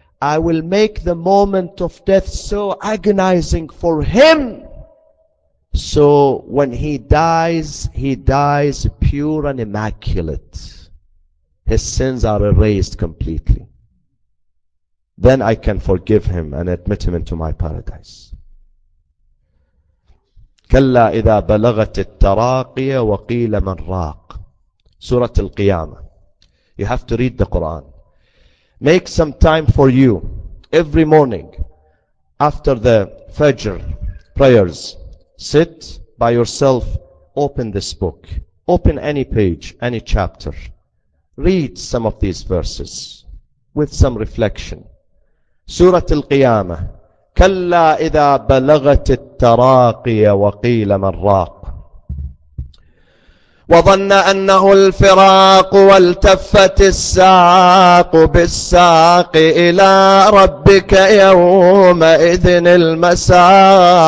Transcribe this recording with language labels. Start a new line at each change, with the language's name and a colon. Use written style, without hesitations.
English: I will make the moment of death so agonizing for him. So when he dies pure and immaculate. His sins are erased completely. Then I can forgive him and admit him into my paradise.
Arabic: كَلَّا إِذَا بَلَغَتِ التَّرَاقِيَ وَقِيلَ مَنْ رَاقٍ Surah Al-Qiyamah.
English: You have to read the Quran. Make some time for you every morning after the Fajr prayers. Sit by yourself, open this book, open any page, any chapter. Read some of these verses with some reflection. Surah Al-Qiyamah.
Arabic: كلا إذا بلغت التراقي وقيل من راق وظن أنه الفراق والتفت الساق بالساق إلى ربك يومئذ المساق.